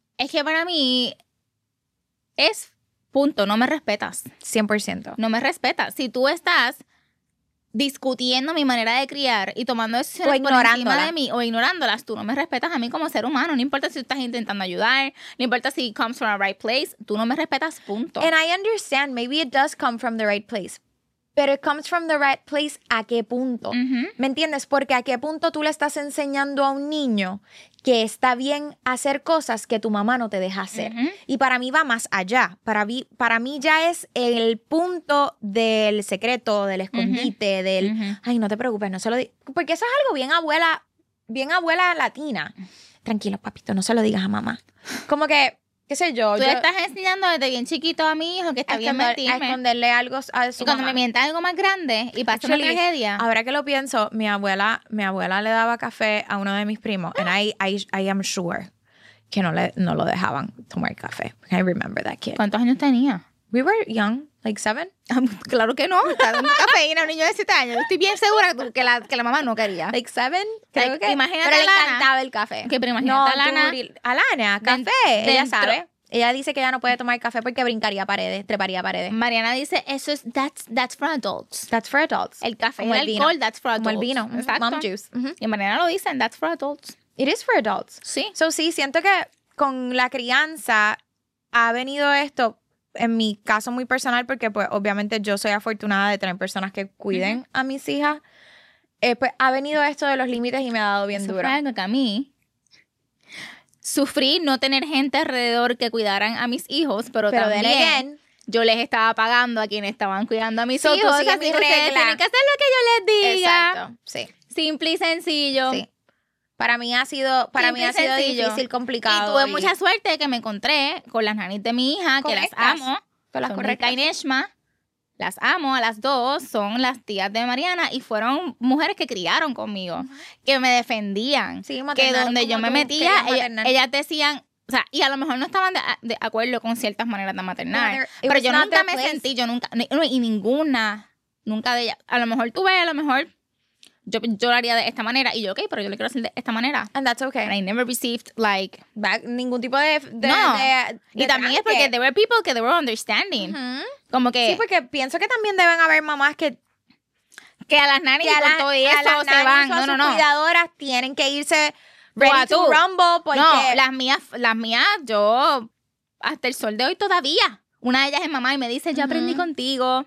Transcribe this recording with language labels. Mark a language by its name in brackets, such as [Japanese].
[Spanish] Es que para mí es punto, no me respetas. 100%. No me respetas. Si tú estás discutiendo mi manera de criar y tomando decisiones por encima de mí o ignorándolas, tú no me respetas a mí como ser humano. No importa si tú estás intentando ayudar, no importa si [English] it comes from the right place, [Spanish] tú no me respetas, punto. [English] And I understand, maybe it does come from the right place, but it comes from the right place, [Spanish] ¿a qué punto? ¿Me entiendes? Porque ¿a qué punto tú le estás enseñando a un niño que está bien hacer cosas que tu mamá no te deja hacer? Y para mí va más allá. Para mí ya es el punto del secreto, del escondite, del... Ay, no te preocupes, no se lo digas. Porque eso es algo bien abuela latina. Tranquilo, papito, no se lo digas a mamá. Como que, qué sé yo. Tú estás enseñando desde bien chiquito a mi hijo que está bien mentirme. A esconderle algo a su mamá. Y cuando mamá me mienta algo más grande y pasa una tragedia. Ahora que lo pienso, mi abuela le daba café a uno de mis primos. [English] And I am sure [Spanish] que no lo dejaban tomar café. [English] I remember that kid. [Spanish] ¿Cuántos años tenía? [English] We were young, like 7. [Spanish] Claro que no. Estaba en cafeína un niño de 7 años. Estoy bien segura que la mamá no quería. [English] Like 7. [Spanish] Creo que. Imagínate, pero a Lana, le encantaba el café. Okay, pero imagínate no, a Lana. A Lana, café. Dentro. Ella sabe. Ella dice que ya no puede tomar café porque brincaría paredes, treparía paredes. Mariana dice, eso es, [English] that's for adults. That's for adults. [Spanish] El café como y el alcohol, [English] that's for adults. [Spanish] Como el vino. Exacto. [English] Mom juice. [Spanish] Y Mariana lo dice, [English] that's for adults. It is for adults. [Spanish] Sí. So sí, siento que con la crianza ha venido esto. En mi caso muy personal, porque pues obviamente yo soy afortunada de tener personas que cuiden a mis hijas, pues ha venido esto de los límites y me ha dado bien eso duro. Fue algo que a mí sufrí no tener gente alrededor que cuidaran a mis hijos, pero también bien, yo les estaba pagando a quienes estaban cuidando a mis hijos. Sí, así que ustedes tienen que hacer lo que yo les diga. Exacto, sí. Simple y sencillo. Sí. Para mí ha sido difícil, complicado. Y tuve mucha suerte que me encontré con las nanis de mi hija, que las amo. Con las correctas. Son Rika y Neshma. Las amo a las dos. Son las tías de Mariana y fueron mujeres que criaron conmigo, que me defendían. Sí, maternal. Que donde yo me metía, ellas decían, o sea, y a lo mejor no estaban de acuerdo con ciertas maneras de maternar. Pero yo nunca me sentí, yo nunca, y ninguna, nunca de ellas. A lo mejor tuve, a lo mejor... Yo lo haría de esta manera. Y yo, ok, pero yo le quiero hacer de esta manera. [English] And that's okay. And I never received, like... [Spanish] ningún tipo de no. De y también es porque [English] there were people que they were understanding. [Spanish] Como que... Sí, porque pienso que también deben haber mamás que... Que a las nannies con todo y eso se van. No, no, no. A las cuidadoras tienen que irse [English] ready to rumble [Spanish] porque... No, las mías, yo... Hasta el sol de hoy todavía... Una de ellas es mamá y me dice, yo aprendí contigo.